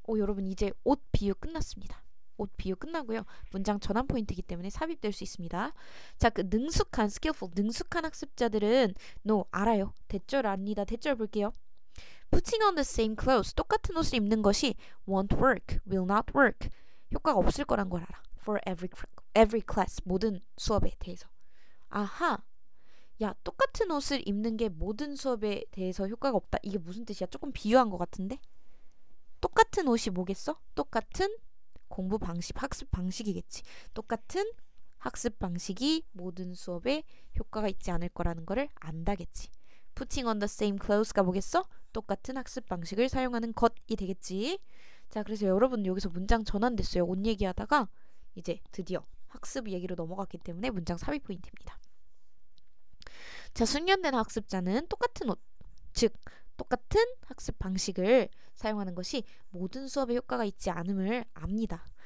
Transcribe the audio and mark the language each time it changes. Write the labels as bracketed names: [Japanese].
[Korean] 여러분, 이제 옷 비유 끝났습니다. 옷 비유 끝나고요. 문장 전환 포인트이기 때문에 삽입될 수 있습니다. 자, 그 능숙한, skillful, 능숙한 학습자들은 no, 알아요. 대절 아닙니다. 대절 볼게요. [English] Putting on the same clothes. [Korean] 똑같은 옷을 입는 것이 [English] won't work, will not work. [Korean] 효과가 없을 거란 걸 알아. [English] For every class. [Korean] 모든 수업에 대해서. 아하. 야, 똑같은 옷을 입는 게 모든 수업에 대해서 효과가 없다. 이게 무슨 뜻이야? 조금 비유한 것 같은데? 똑같은 옷이 뭐겠어? 똑같은 공부 방식, 학습 방식이겠지. 똑같은 학습 방식이 모든 수업에 효과가 있지 않을 거라는 거를 안다겠지. [English] Putting on the same clothes [Korean] 가 뭐겠어? 똑같은 학습 방식을 사용하는 것이 되겠지. 자, 그래서 여러분 여기서 문장 전환됐어요. 옷 얘기하다가 이제 드디어 학습 얘기로 넘어갔기 때문에 문장 삽입 포인트입니다. 자, 숙련된 학습자는 똑같은 옷, 즉 똑같은 학습 방식을 사용하는 것이 모든 수업에 효과가 있지 않음을 압니다.